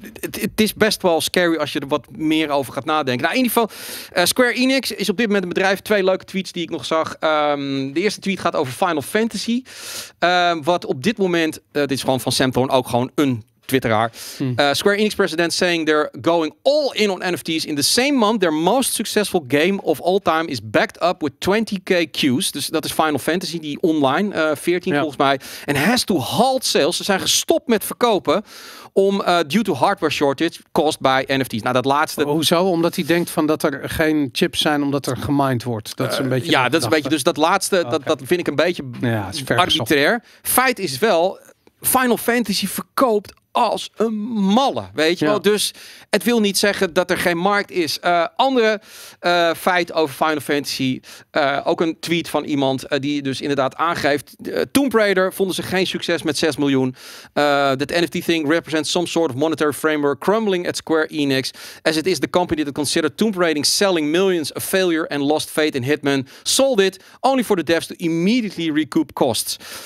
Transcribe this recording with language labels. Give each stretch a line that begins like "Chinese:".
Dutch: Het is best wel scary als je er wat meer over gaat nadenken. Nou, in ieder geval, Square Enix is op dit moment een bedrijf. Twee leuke tweets die ik nog zag. De eerste tweet gaat over Final Fantasy. Wat op dit moment, dit is gewoon van Sam Thorne, ook gewoon een twitteraar.
English: Square Enix president saying they're going all in on NFTs. In the same month, their most successful game of all time is backed up with 20k queues.
Dutch: Dus dat is Final Fantasy, die online, 14 volgens mij.
English: And has to halt sales.
Dutch: Ze zijn gestopt met verkopen om
English: due to hardware shortage caused by NFTs.
Dutch: Nou, dat laatste... Hoezo? Omdat hij denkt van dat er geen chips zijn omdat er gemined wordt. Dat is een beetje... Ja, dat is een beetje... Dus dat laatste, okay, dat vind ik een beetje arbitrair. Feit is wel, Final Fantasy verkoopt als een malle, weet je wel. Dus het wil niet zeggen dat er geen markt is. Andere feit over Final Fantasy. Ook een tweet van iemand die dus inderdaad aangeeft. Tomb Raider vonden ze geen succes met 6 miljoen.
English: That NFT thing represents some sort of monetary framework crumbling at Square Enix. As it is the company that considered Tomb Raider selling millions a failure and lost faith in Hitman. Sold it only for the devs to immediately recoup costs.